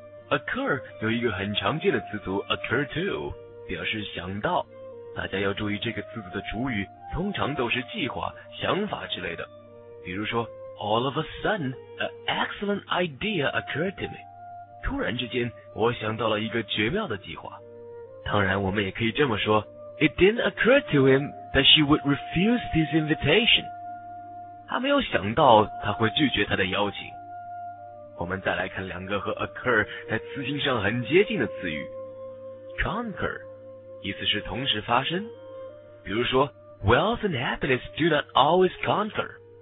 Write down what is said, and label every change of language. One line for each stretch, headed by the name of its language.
Chinese: Occur 有一个很常见的词组 occur to, 表示想到。大家要注意这个词组的主语通常都是计划、想法之类的。比如说
English: ,all of a sudden, an excellent idea occurred to me.
Chinese: 突然之间我想到了一个绝妙的计划。当然我们也可以这么说
English: It didn't occur to him that she would refuse this invitation.
Chinese: 他没有想到他会拒绝他的邀请。我们再来看两个和 occur 在词性上很接近的词语。
English: Conquer,
Chinese: 意思是同时发生。比如说
English: ,wealth and happiness do not always conquer.